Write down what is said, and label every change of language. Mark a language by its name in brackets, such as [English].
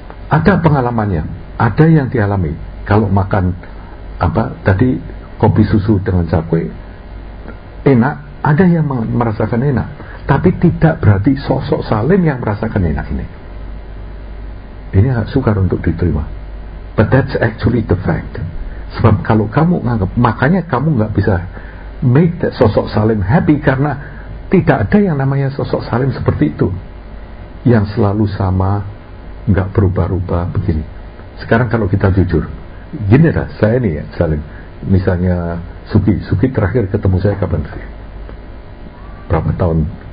[Indonesian] Ada pengalamannya, ada yang dialami. Kalau makan apa tadi kopi susu dengan cakwe enak, ada yang merasakan enak. Tapi tidak berarti sosok salim yang merasakan enak ini. Ini agak sukar untuk diterima. [English] But that's actually the fact. [Indonesian] Sebab kalau kamu nganggap, makanya kamu nggak bisa [English] make that [Indonesian] sosok salim happy karena tidak ada yang namanya sosok salim seperti itu, yang selalu sama, nggak berubah-ubah begini. Sekarang kalau kita jujur, gini lah, saya nih ya, salim. Misalnya Suki terakhir ketemu saya kapan sih? Berapa tahun?